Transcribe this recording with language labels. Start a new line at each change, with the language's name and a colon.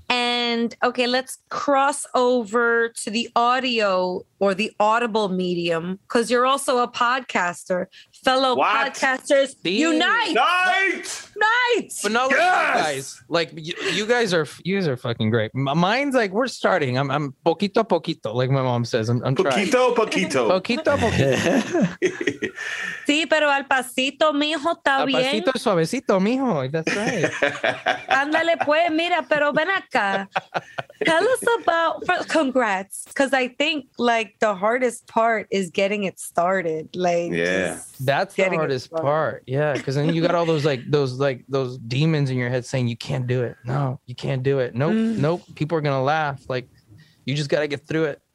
English: And okay, let's cross over to the audio or the audible medium, because you're also a podcaster. Podcasters, unite! Night! But no, yes! Guys, like, you guys are fucking great. Mine's like, we're starting. I'm
Spanish: poquito a poquito,
English: like my mom says. I'm
Spanish: poquito
English: trying.
Spanish: Poquito. Poquito a poquito. Sí, pero al pasito, mijo, está bien. Al pasito suavecito, mijo.
English: That's right.
Spanish: Ándale, pues, mira, pero ven acá.
English: Tell us about, congrats, because I think, like, the hardest part is getting it started. Like, That's the hardest part. Yeah. Cause then you got all those demons in your head saying, you can't do it. No, you can't do it. Nope. People are going to laugh. Like, you just got to get through it.